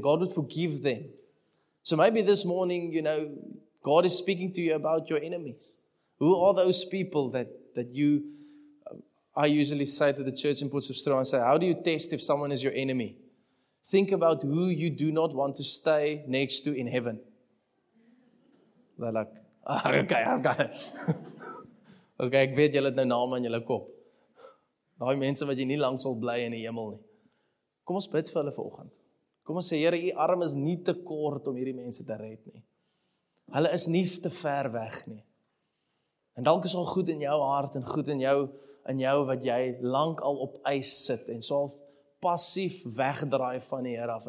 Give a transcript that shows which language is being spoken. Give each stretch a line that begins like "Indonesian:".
English: God would forgive them. So maybe this morning, you know, God is speaking to you about your enemies. Who are those people that you, I usually say to the church in Ports of Strong, I say, how do you test if someone is your enemy? Think about who you do not want to stay next to in heaven. They're like, oh, okay, I've got it.
Afrikaans: Okay, ek weet julle het nou name in julle kop. Daai mense wat jy nie langs wil bly in die hemel nie. Kom ons bid vir hulle vanoggend. Kom ons sê, Here, u arm is nie te kort om hierdie mense te red nie. Hulle is nie te ver weg nie. En dalk is al goed in jou hart en goed in jou wat jy lank al op ys sit en so passief wegdraai van die Here af.